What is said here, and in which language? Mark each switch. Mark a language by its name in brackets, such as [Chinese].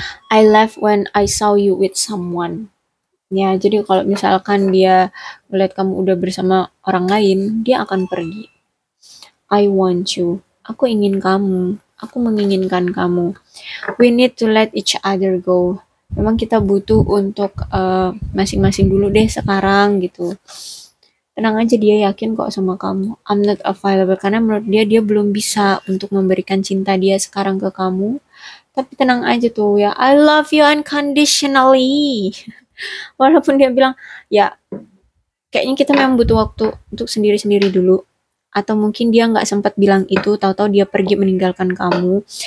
[English] I left when I saw you with someone. [Indonesian] Ya, jadi kalau misalkan dia melihat kamu udah bersama orang lain, dia akan pergi. [English] I want you. [Indonesian] Aku ingin kamu. Aku menginginkan kamu. [English] We need to let each other go. [Indonesian] Memang kita butuh untuk masing-masing dulu deh sekarang gitu. Tenang aja, dia yakin kok sama kamu. [English] I'm not available. [Indonesian] Karena menurut dia belum bisa untuk memberikan cinta dia sekarang ke kamu. Tapi tenang aja tuh ya. [English] I love you unconditionally. [Indonesian] Walaupun dia bilang, ya kayaknya kita memang butuh waktu untuk sendiri-sendiri dulu. Atau mungkin dia gak sempat bilang itu, tahu-tahu dia pergi meninggalkan kamu.